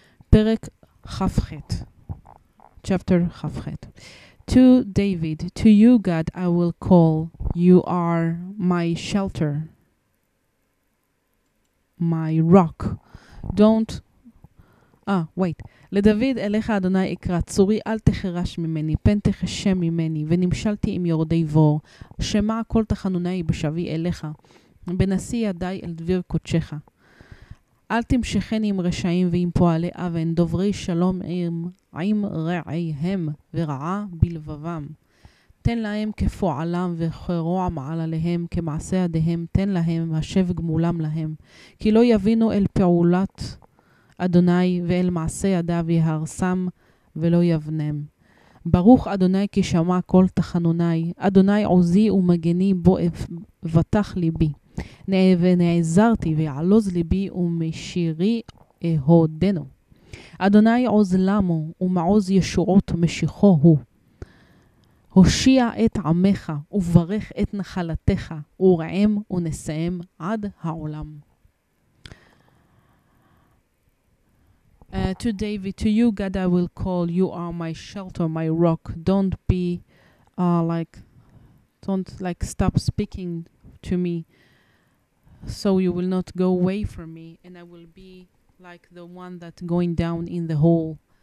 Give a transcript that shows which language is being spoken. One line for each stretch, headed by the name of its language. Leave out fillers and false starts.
English: Perek Chafchet, chapter Chafchet. To David, to you, God, I will call. You are my shelter, my rock. Don't.
Hebrew: לדוד אליך אדוני אקרא, צורי אל תחרש ממני, פן תחשם ממני, ונמשלתי עם יורדי בור. שמע כל תחנוני בשבי אליך, בנשיא ידי אל דביר קודשך. אל תמשכן עם רשעים ועם פועלי אבן, דוברי שלום עם רעיהם ורעה בלבבם. תן להם כפועלם וכרוע מעל עליהם, כמעשה ידיהם, תן להם השב גמולם להם, כי לא יבינו אל פעולת אדוני ואל מעשה ידיו יהרסם ולא יבנם. ברוך אדוני כי שמע כל תחנוני, אדוני עוזי ומגני בו אבטח ליבי. ונעזרתי ויעלוז ליבי ומשירי אהודנו. אדוני עוז למו ומעוז ישועות משיחו הוא. הושיע את עמך וברך את נחלתך ורעם ונסיים עד העולם.
English: To David, to you, God, I will call. You are my shelter, my rock. Don't be don't stop speaking to me, so you will not go away from me, and I will be like the one that going down in the hole.